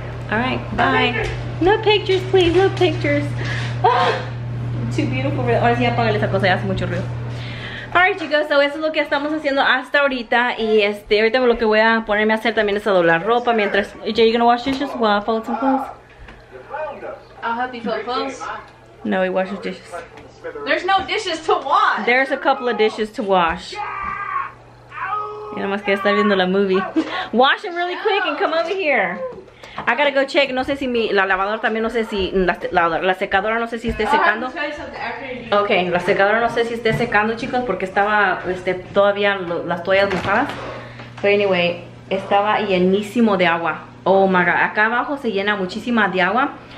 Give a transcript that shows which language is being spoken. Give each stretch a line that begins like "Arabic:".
English: Alright, bye. No pictures, please, no pictures. Too beautiful.
Spanish: Ahora sí, apagale esa cosa, ya hace mucho ruido. Alright, chicos, so eso es lo que estamos haciendo hasta ahorita. Y ahorita lo que voy a ponerme a hacer también es a doblar ropa mientras.
English: Jay, you gonna wash dishes? Well, I'll fold some clothes. I'll help you fold clothes. No, he washes dishes. There's no dishes to wash. There's a couple of dishes to wash.
Spanish: Y nada más que estar viendo la movie.
English: Wash them really quick and come over here. I gotta go check.
Spanish: No sé si la lavadora también, no sé si la secadora, no sé si esté secando. Ok, la secadora no sé si esté secando, chicos, porque estaba todavía las toallas mojadas. Pero anyway, estaba llenísimo de agua.
English: Oh my God,
Spanish: acá abajo se llena muchísima de agua.